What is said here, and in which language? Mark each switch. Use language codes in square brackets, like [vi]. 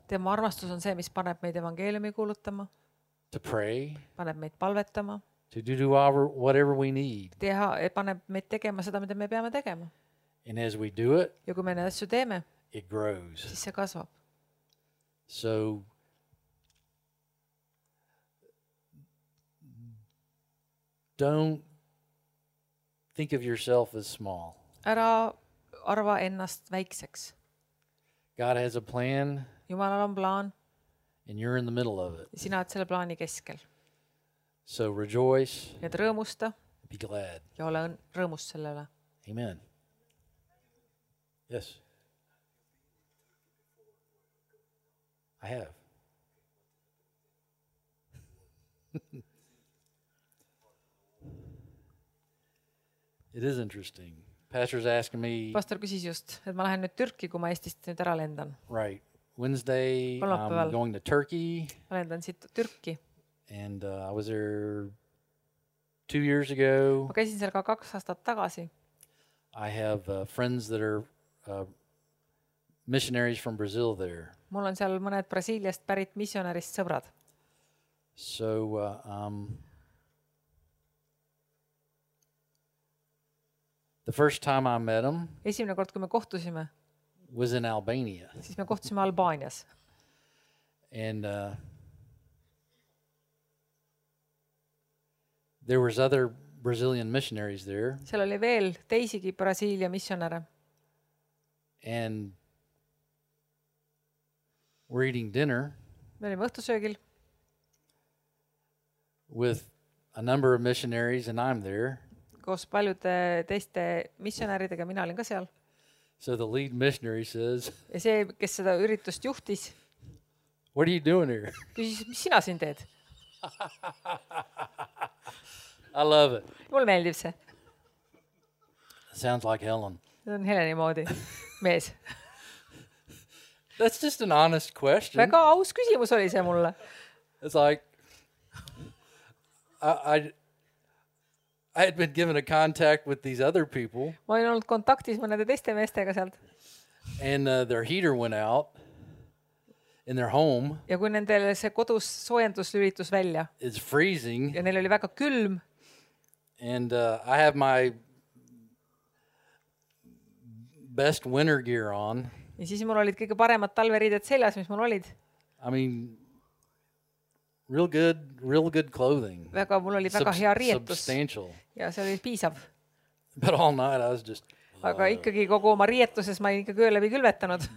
[et] Tema armastus on see, mis paneb meid evangeeliumi kuulutama. [en] To pray. [et] Paneb meid palvetama. [en] To do our whatever we need. [et] Teha, et paneb meid tegema seda, mida me peame tegema. [en] And as we do it. [et] Ja kui me need asju teeme. [en] It grows. [et] Siis see kasvab. [en] So don't think of yourself as small. [et] Ära arva ennast väikseks. [en] God has a plan. [et] Jumalal on plaan. [en] And you're in the middle of it. [et] Sina oled selle plaani keskel. [en] So rejoice. [et] Ja rõõmusta. [en] Be glad. [et] Ja ole rõõmus sellele. [en] Amen. Yes. I have. It is interesting. Pastor's asking me. [et] Pastor küsis just, et ma lähen nüüd Türki, kui ma Eestist nüüd ära lendan. [en] Right. Wednesday I'm going to Turkey. [et] Ma lendan siit Türki. [en] And I was there 2 years ago. [et] Ma käisin seal ka 2 aastat tagasi. [en] I have friends that are missionaries from Brazil there. [et] Mul on seal mõned Brasiiliast pärit missionärist sõbrad. [en] So the first time I met him. [et] Esimene kord, kui me kohtusime. [en] Was in Albania. [et] Siis me kohtusime Albaanias. [en] And there was other Brazilian missionaries there. [et] Seal oli veel teisigi Brasiilia missionäre. [en] And we're eating dinner. [et] Me olime õhtusöögil. [en] With a number of missionaries and I'm there. [et] Koos paljude teiste missionäridega, mina olin ka seal. [en] So the lead missionary says. [et] Ja see, kes seda üritust juhtis. [en] What are you doing here? [et] Küsis, mis sina siin teed? [en] I love it. [et] Mul meeldib see. [en] Sounds like Helen. [et] See on Heleni moodi. Mees. [en] That's just an honest question. [et] Väga aus küsimus oli see mulle. [en] It's like I had been given a contact with these other people. [et] Ma olin olnud kontaktis mõnede teiste meestega sealt. [en] And their heater went out in their home. [et] Ja kui nendel see kodus soojendus lülitus välja. [en] It's freezing. [et] Ja neil oli väga külm. [en] And I have my best winter gear on. [et] Ja siis mul olid kõige paremad talveriided seljas, mis mul olid. [en] I mean, real good clothing. [et] Väga, mul oli väga hea riietus. [en] Substantial. [et] Ja see oli piisav. [en] But all night I was just. [et] Aga ikkagi kogu oma riietuses ma olin ikka kööle või külvetanud.